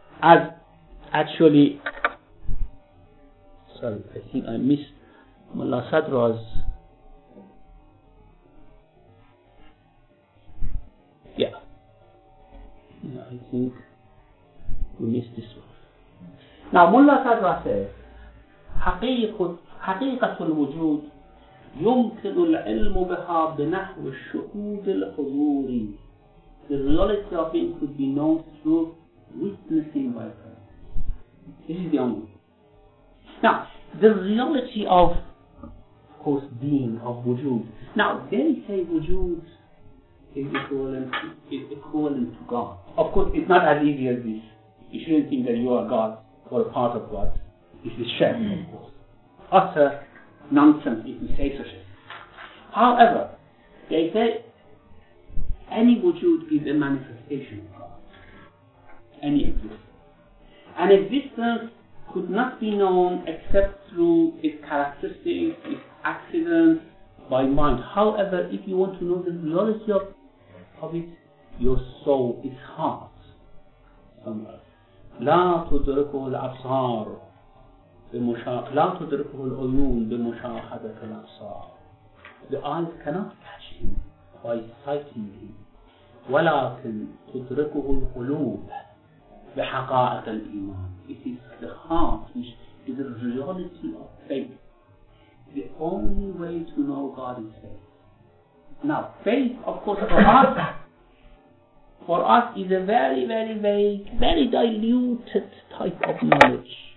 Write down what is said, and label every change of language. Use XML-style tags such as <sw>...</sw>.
<en>As actually, sorry, I think I missed Mullah Sadra's. Yeah, I think we missed this one. Now, Mullah Sadra says,</en> <ar>حقيقة الوجود يمكن العلم بها بنحو الشهود الحضوري.</ar> <en>The reality of it could be known through witnessing by presence. This is the only one. Now, the reality of course, being, of wujud. Now, they say wujud is equivalent to God. Of course, it's not as easy as this. You shouldn't think that you are God or a part of God. This is shirk, of course. Utter nonsense if you say such a thing. However, they say any wujud is a manifestation of God. Any existence. An existence could not be known except through its characteristics, its accidents, by mind. However, if you want to know the reality of it, your soul, its heart, somewhere.</en> <ar>لا تدركه الأبصار لا تدركه العيون بمشاهدة الأبصار.</ar> <en>The eyes cannot catch him by sighting him.</en> <ar>ولكن تدركه القلوب بحقائق الإيمان.</ar> <en>It is the heart which is the reality of faith. The only way to know God is faith. Now, faith, of course, for us is a very, very vague, very diluted type of knowledge.</en>